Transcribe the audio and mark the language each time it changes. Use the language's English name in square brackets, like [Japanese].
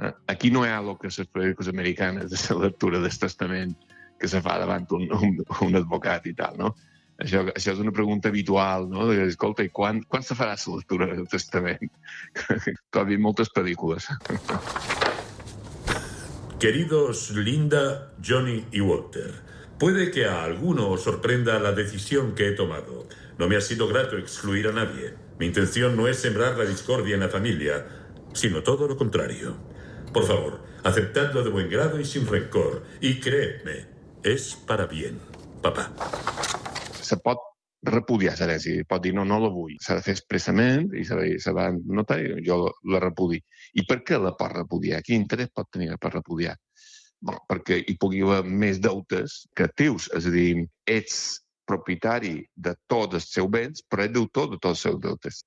[Catalan] Aquí no hi ha el que les pel·lícules americanes de la lectura del testament que se fa davant un advocat i tal, no? Això és una pregunta habitual, no? De, escolta, i quan se farà la lectura del testament? T'ho ha dit moltes pel·lícules. [Spanish] Queridos Linda, Johnny y Walter, puede que a alguno os sorprenda la decisión que he tomado. No me ha sido grato excluir a nadie. Mi intención no es sembrar la discordia en la familia, sino todo lo contrario. Por favor, aceptadlo de buen grado y sin rencor. Y creedme, es para bien, papá. [Catalan] Se pot repudiar l'herència, pot dir no la vull. S'ha de fer expressament i se va notar i jo la repudi. I per què la pot repudiar? Quin interès pot tenir per repudiar? Bé, perquè hi pugui haver més deutes que teus. És a dir, ets propietari de tots els seus béns, però ets deutor de tots els seus deutes.